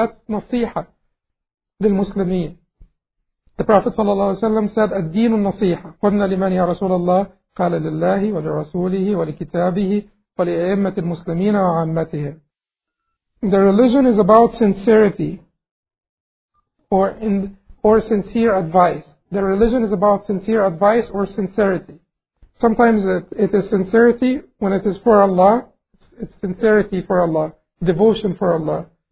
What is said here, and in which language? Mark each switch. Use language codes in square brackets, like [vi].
[en] That's nasiha lil muslimin. The Prophet ﷺ said, [ar] "الدين النصيحة." قلنا لمن يا رسول الله قال لله ولرسوله ولكتابه ولأئمة المسلمين وعامتهم. [en] The religion is about sincerity or sincere advice. The religion is about sincere advice or sincerity. Sometimes it is sincerity when it is for Allah. It's sincerity for Allah, devotion for Allah.